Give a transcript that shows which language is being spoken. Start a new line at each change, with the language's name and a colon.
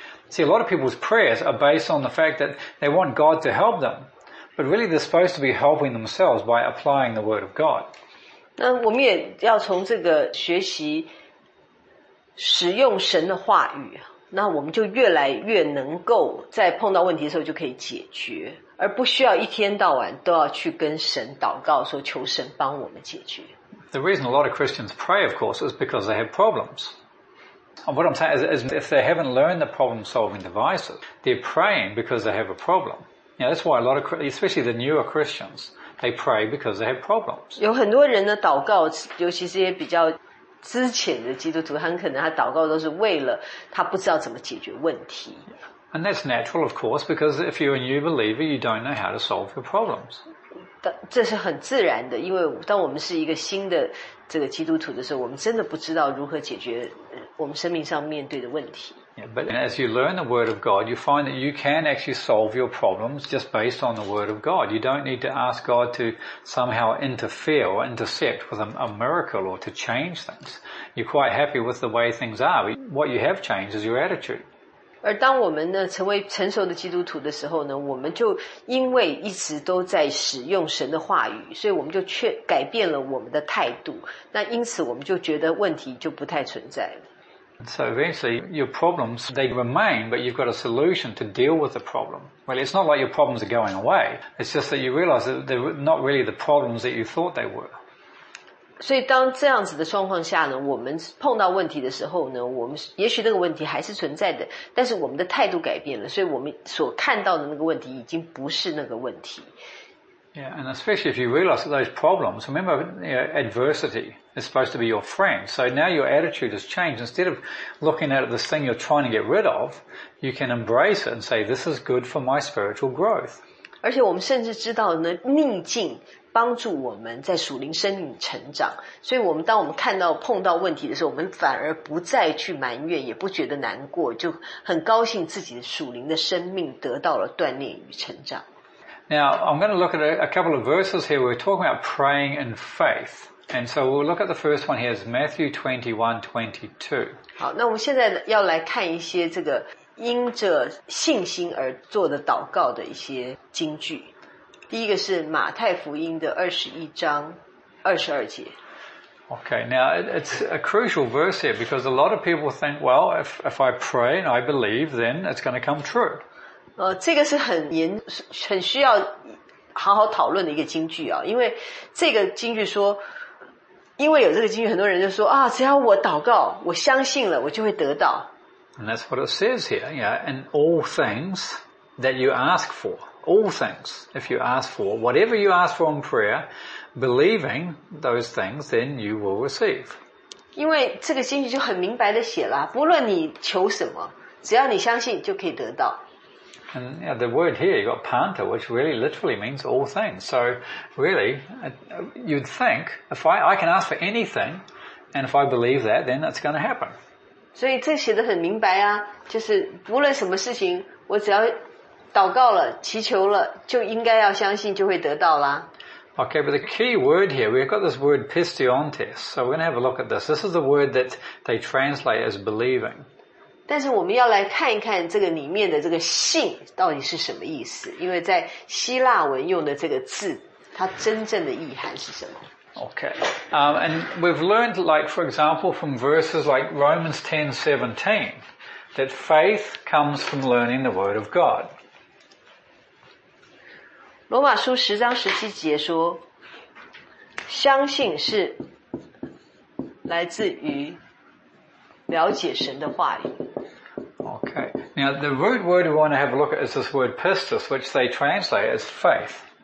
English: See, a lot of people's prayers are based on the fact that they want God to help them, but really they're supposed to be helping themselves by applying the Word of God.
Chinese: 那我们也要从这个学习使用神的话语，那我们就越来越能够在碰到问题的时候就可以解决，而不需要一天到晚都要去跟神祷告说求神帮我们解决。
English: The reason a lot of Christians pray, of course, is because they have problems. What I'm saying is if they haven't learned the problem-solving devices, they're praying because they have a problem. You know, that's why a lot of, especially the newer Christians, they pray because they have problems.
Chinese: 有很多人的祷告，尤其是一些比较之前的基督徒，很可能他祷告都是为了他不知道怎么解决问题。
English: And that's natural, of course, because if you're a new believer, you don't know how to solve your problems.
Chinese: 这是很自然的，因为当我们是一个新的这个基督徒的时候，我们真的不知道如何解决我们生命上面对的问题。
English: Yeah, but as you learn the Word of God, you find that you can actually solve your problems just based on the Word of God. You don't need to ask God to somehow interfere or intercept with a miracle or to change things. You're quite happy with the way things are. What you have changed is your attitude.
Chinese: 而当我们呢成为成熟的基督徒的时候呢，我们就因为一直都在使用神的话语，所以我们就却改变了我们的态度。那因此我们就觉得问题就不太存在了。
English: So eventually, your problems, they remain, but you've got a solution to deal with the problem. Well, it's not like your problems are going away. It's just that you realize that they're not really the problems that you thought they were.
Chinese: 所以当这样子的状况下呢，我们碰到问题的时候呢，我们也许那个问题还是存在的，但是我们的态度改变了，所以我们所看到的那个问题已经不是那个问题。
English: Yeah, and especially if you realize those problems, remember, you know, adversity is supposed to be your friend. So now your attitude has changed. Instead of looking at this thing you're trying to get rid of, you can embrace it and say, this is good for my spiritual growth.
Chinese: 而且我们甚至知道呢，逆境帮助我们在属灵生命成长。所以我们当我们看到碰到问题的时候，我们反而不再去埋怨，也不觉得难过，就很高兴自己的属灵的生命得到了锻炼与成长。
English: Now, I'm going to look at a couple of verses here. We're talking about praying in faith. And so we'll look at the first one here is Matthew 21:22.
Chinese: 好，那我们现在要来看一些这个因着信心而做的祷告的一些经句。第一个是马太福音的21章22节。
English: Okay, now it's a crucial verse here because a lot of people think, well, if I pray and I believe, then it's going to come true.
Chinese: 这个是很需要好好讨论的一个经句啊，因为这个经句说，因为有这个经句，很多人就说啊，只要我祷告，我相信了，我就会得到。
English: And that's what it says here, yeah. And all things that you ask for, all things, if you ask for whatever you ask for in prayer, believing those things, then you will receive.
Chinese: 因为这个经句就很明白的写了，不论你求什么，只要你相信，就可以得到。
English: And you know, the word here, you've got panta, which really literally means all things. So really, you'd think, if I can ask for anything, and if I believe that, then that's going to happen.
Chinese: 所以这写得很明白啊，就是无论什么事情，我只要祷告了，祈求了，就应该要相信就会得到啦。
English: Okay, but the key word here, we've got this word pistiontes. So we're going to have a look at this. This is the word that they translate as believing.
Chinese: 但是我们要来看一看这个里面的这个信到底是什么意思，因为在希腊文用的这个字，它真正的意涵是什么。
English: Okay, and we've learned, like, for example, from verses like Romans 10:17, that faith comes from learning the Word of God.
Chinese: 罗马书十章十七节说，相信是来自于了解神的话语。
English: Okay. Now, the root word we want to have a look at is this word pistis, which they translate as faith.